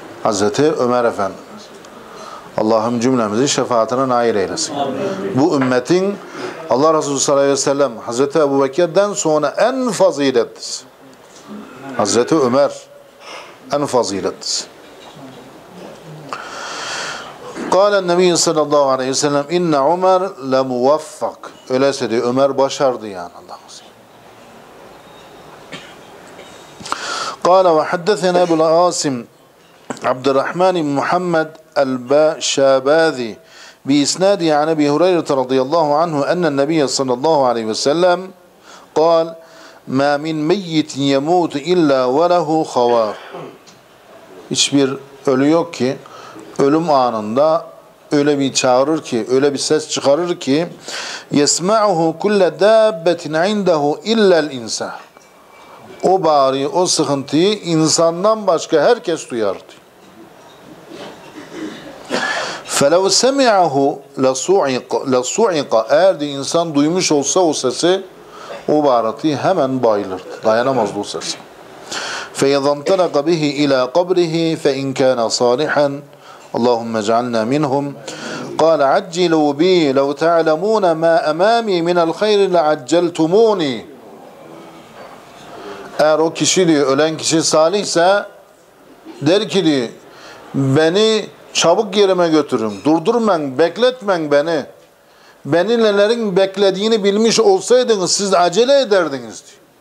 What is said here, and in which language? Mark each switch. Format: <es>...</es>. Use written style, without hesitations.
<tr>Hazreti Ömer Efendimiz. Allah'ım cümlemizi şefaatine nail eylesin. Amin. Bu ümmetin Allah Resulü sallallahu aleyhi ve sellem Hazreti Ebu Bekir'den sonra en faziletlisi. Hazreti Ömer en faziletlisi.</tr> <ar>قال النبي صلى الله عليه وسلم إن عمر لموفق</ar> <tr>öyleyse diyor Ömer başardı yani Allah'ın izniyle.</tr> <ar>قال وحدثنا أبو العاصم عبد الرحمن محمد الباشابادي بإسناد عن أبي هريرة رضي الله عنه أن النبي صلى الله عليه وسلم قال ما من ميت يموت إلا وله خوار.</ar> <tr>Hiçbir ölü yok ki ölüm anında öyle bir çağırır ki, öyle bir ses çıkarır ki</tr> <ar>yesma'uhu kulle dâbbetin indahu illel insan.</ar> <tr>O bağrıyı, o sıkıntıyı insandan başka herkes duyar diyor.</tr> <ar>Felev semi'ahu lesu'iqa.</ar> <tr>Eğer de insan duymuş olsa o sesi, o bağrıyı hemen bayılırdı. Dayanamazdı o sesi.</tr> <ar>Feyzantalaka bihi ila kabrihi fe'in kâne salihan. اللهم اجعلنا منهم. قال عجلوا بي لو تعلمون ما أمامي من الخير لعجلتموني.</ar> <tr>Eğer o kişi diyor, ölen kişi salihse der ki diyor, beni çabuk yerime götürün, durdurmayın, bekletmeyin beni. Beni nelerin beklediğini bilmiş olsaydınız siz acele ederdiniz diyor.</tr>